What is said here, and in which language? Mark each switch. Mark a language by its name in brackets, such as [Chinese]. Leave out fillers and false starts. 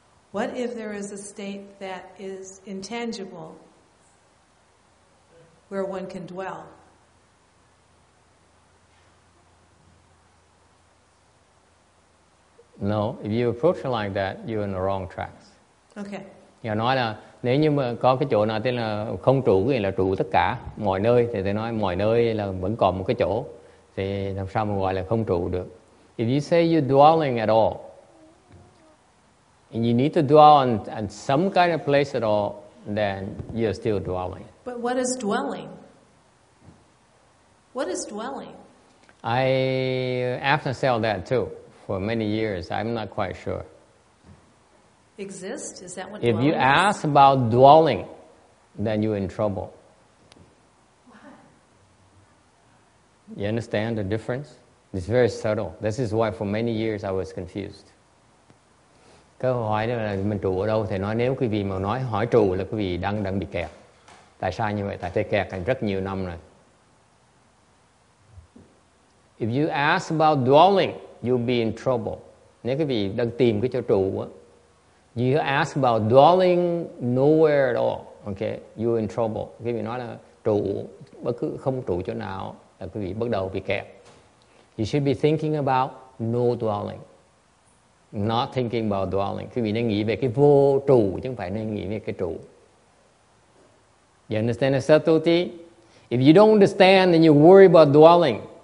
[English] What if there is a state that is intangible where one can dwell? No, if you approach it like that, you're in the wrong tracks. Okay. [Vietnamese] Nhà nói là nếu như mà có cái chỗ nào tên là không trụ thì là trụ tất cả mọi nơi, thì tôi nói mọi nơi là vẫn còn một cái chỗ, thì làm sao mà gọi là không trụ được. [English] If you say you're dwelling at all and you need to dwell on some kind of place at all, then you're still dwelling. But what is dwelling? What is dwelling? I often said that too for many years. I'm not quite sure. Exist? Is that what? If you ask about dwelling, then you're in trouble. What? You understand the difference? It's very subtle. This is why for many years I was confused. [Vietnamese] Câu hỏi đó là mình trụ ở đâu? Thầy nói nếu quý vị mà nói hỏi trụ là quý vị đang bị kẹt. Tại sao như vậy? Tại thầy kẹt rất nhiều năm rồi. [English] If you ask about dwelling, you'll be in trouble. [Vietnamese] Nếu quý vị đang tìm cái chỗ trụ á. [English] You ask about dwelling nowhere at all, okay? You're in trouble. [Vietnamese] Quý vị nói là trụ, bất cứ không trụ chỗ nào là quý vị bắt đầu bị kẹt. [English] You should be thinking about no dwelling, not thinking about dwelling. [Vietnamese] Quý vị nên nghĩ về cái vô trụ, chứ không phải nên nghĩ về cái trụ. [English] You understand the subtlety? If you don't understand, then you worry about dwelling.